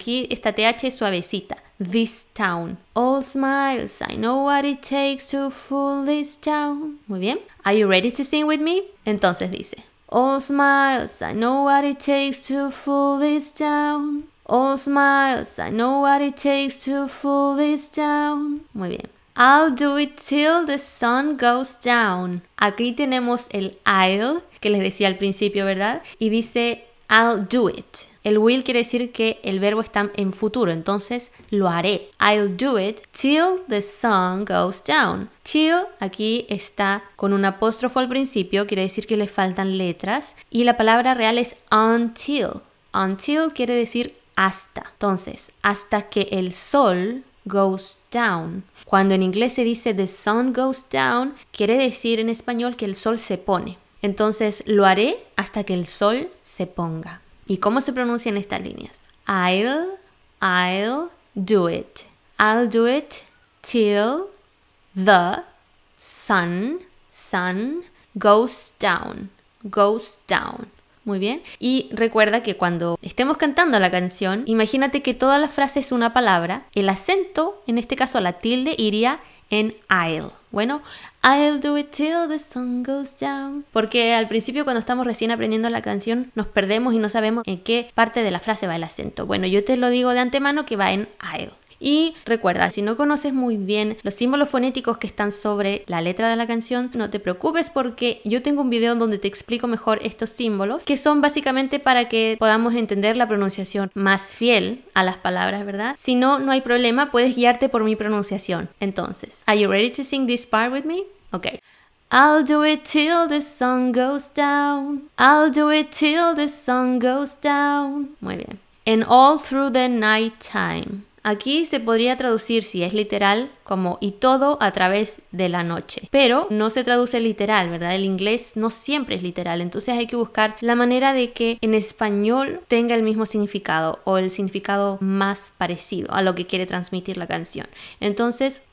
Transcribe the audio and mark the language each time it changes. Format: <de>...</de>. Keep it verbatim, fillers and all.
<es>Aquí esta T H es suavecita.</es> <en>This town. All smiles, I know what it takes to fool this town.</en> <es>Muy bien.</es> <en>Are you ready to sing with me?</en> <es>Entonces dice:</es> <en>all smiles, I know what it takes to fool this town. All smiles, I know what it takes to fool this town.</en> <es>Muy bien.</es> <en>I'll do it till the sun goes down.</en> <es>Aquí tenemos el I'll, que les decía al principio, ¿verdad? Y dice</es> <en>I'll do it.</en> <es>El will quiere decir que el verbo está en futuro, entonces lo haré.</es> <en>I'll do it till the sun goes down.</en> <es>Till aquí está con un apóstrofo al principio, quiere decir que le faltan letras. Y la palabra real es until. Until quiere decir hasta. Entonces, hasta que el sol</es> <en>goes down.</en> <es>Cuando en inglés se dice</es> <en>the sun goes down,</en> <es>quiere decir en español que el sol se pone. Entonces, lo haré hasta que el sol se ponga. ¿Y cómo se pronuncian estas líneas?</es> <en>I'll, I'll do it. I'll do it till the sun, sun goes down, goes down.</en> <es>Muy bien. Y recuerda que cuando estemos cantando la canción, imagínate que toda la frase es una palabra. El acento, en este caso la tilde, iría en I'll. Bueno,</es> <en>I'll do it till the sun goes down.</en> <es>Porque al principio cuando estamos recién aprendiendo la canción nos perdemos y no sabemos en qué parte de la frase va el acento. Bueno, yo te lo digo de antemano que va en I'll. Y recuerda, si no conoces muy bien los símbolos fonéticos que están sobre la letra de la canción, no te preocupes porque yo tengo un video donde te explico mejor estos símbolos, que son básicamente para que podamos entender la pronunciación más fiel a las palabras, ¿verdad? Si no, no hay problema, puedes guiarte por mi pronunciación. Entonces,</es> <en>¿are you ready to sing this part with me? Okay. I'll do it till the sun goes down. I'll do it till the sun goes down.</en> <es>Muy bien.</es> <en>And all through the night time.</en> <es>Aquí se podría traducir, si es literal, como y todo a través de la noche. Pero no se traduce literal, ¿verdad? El inglés no siempre es literal, entonces hay que buscar la manera de que en español tenga el mismo significado o el significado más parecido a lo que quiere transmitir la canción. Entonces,</es>